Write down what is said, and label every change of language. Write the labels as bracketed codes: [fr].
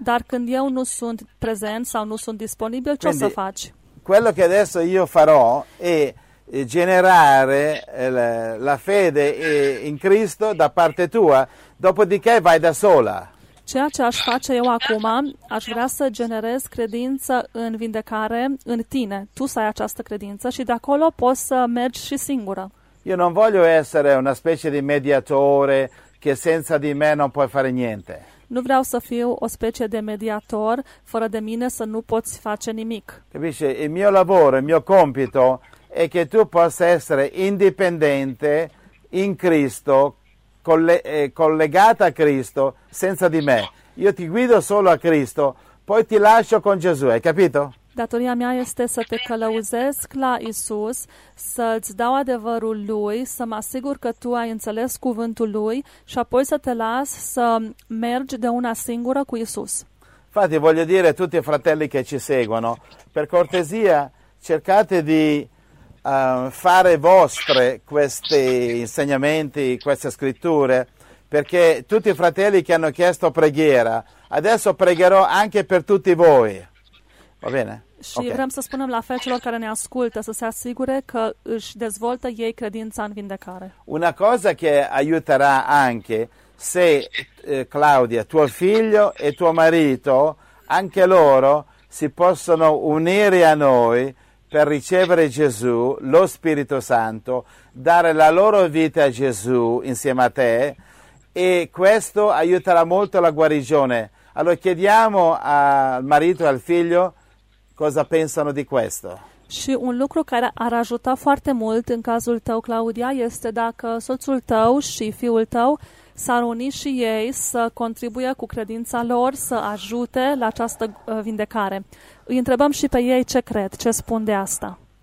[ro] Dar când eu nu sunt prezent sau nu sunt disponibil, ce [it] Quindi, [ro] o să faci? [it] Quello che adesso io farò è generare la fede in Cristo da parte tua, dopodiché vai da sola. [ro] Ceea ce aș face eu acum, aș vrea să generez credință în vindecare în tine. Tu să ai această credință și de acolo poți să mergi și singură. [it] Eu non voglio essere una specie di mediatore che senza di me non puoi fare niente. [ro] Nu vreau să fiu o specie de mediator, fără de mine să nu poți face nimic. [it] Capisci? Il mio lavoro, il mio compito è che tu possa essere indipendente in Cristo, collegata a Cristo senza di me. Io ti guido solo a Cristo, poi ti lascio con Gesù, hai capito? [ro] Datoria mea este să te călăuzesc la Isus, să-ți dau adevărul Lui, să mă asigur că tu ai înțeles cuvântul Lui și apoi să te las să mergi de una singură cu Isus. [it] Infatti, voglio dire a tutti i fratelli che ci seguono, per cortesia cercate di fare vostre questi insegnamenti, queste scritture, perché tutti i fratelli che hanno chiesto preghiera, Adesso pregherò anche per tutti voi. Va bene? [ro] Și okay. Vrem să spunem la fecelor care ne ascultă să se asigure că își dezvoltă ei credința în vindecare. [it] Una cosa che aiuterà anche se Claudia, tuo figlio e tuo marito, anche loro si possono unire a noi per ricevere Gesù, lo Spirito Santo, dare la loro vita a Gesù insieme a te, e questo aiuterà molto la guarigione. Allora chiediamo al marito e al figlio cosa pensano di questo. [ro] Și un lucru care ar ajuta foarte mult în cazul tău, Claudia, este dacă soțul tău și fiul tău s-ar uni și ei să contribuie cu credința lor, să ajute la această vindecare. Îi întrebăm și pe ei ce cred, ce spun de asta.